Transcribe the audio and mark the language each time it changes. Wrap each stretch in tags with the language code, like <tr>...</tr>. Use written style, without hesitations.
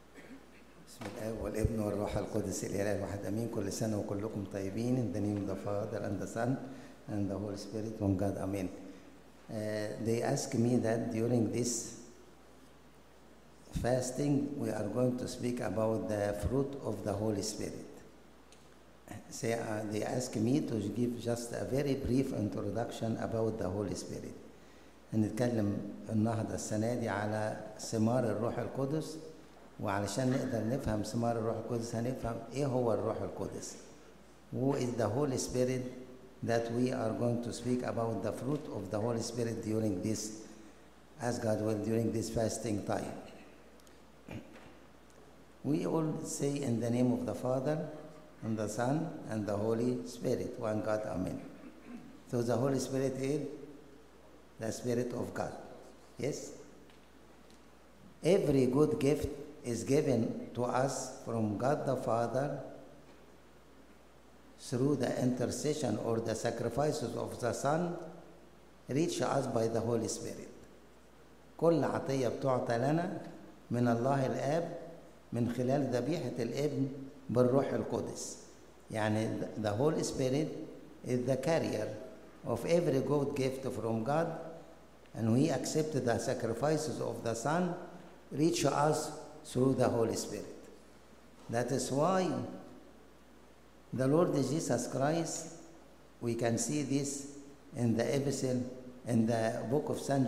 <ar>القدس الإله الواحد أمين. كل سنة وكلكم طيبين.</ar> <en>In the name of the Father and the Son and the Holy Spirit, one God, Amen. They ask me that during this fasting we are going to speak about the fruit of the Holy Spirit. They ask me to give just a very brief introduction about the Holy Spirit.</en> <ar>هنتكلم النهضة السنة دي على ثمار الروح القدس, وعلشان نقدر نفهم ثمار الروح القدس هنفهم ايه هو الروح القدس.</ar> <en>Who is the Holy Spirit that we are going to speak about the fruit of the Holy Spirit during this, as God will, during this fasting time. We all say in the name of the Father and the Son and the Holy Spirit, one God, Amen. So the Holy Spirit is the Spirit of God. Yes? Every good gift is given to us from God the Father through the intercession or the sacrifices of the Son, reach us by the Holy Spirit.</en> <ar>كل عطية بتعطى لنا من الله الآب من خلال ذبيحة الابن بالروح القدس. يعني</ar> <en>the Holy Spirit is the carrier of every good gift from God, and we accept the sacrifices of the Son, reach us through the Holy Spirit. That is why the Lord Jesus Christ, we can see this in the epistle, in the book of St.</en>